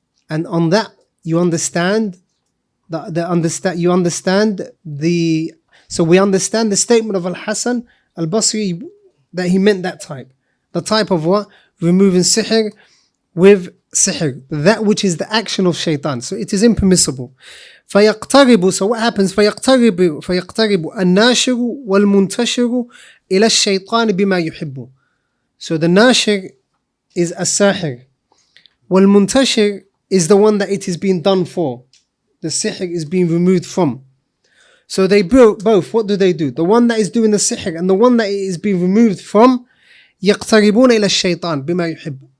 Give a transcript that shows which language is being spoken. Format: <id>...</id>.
<en>And on that, you understand we understand the statement of Al-Hasan Al-Basri that he meant that type. The type of what? Removing sihr with sihr, that which is the action of shaitan. So it is impermissible. فيقترب. So what happens?</en> <ar>فيقترب الناشر والمنتشر إلى الشيطان بما يحب.</ar> <en>So the ناشر is الساحر. والمنتشر is the one that it is being done for. The sihr is being removed from. So they both, what do? The one that is doing the sihr and the one that it is being removed from,</en> <ar>يقتربون إلى الشيطان بما يحب.</ar>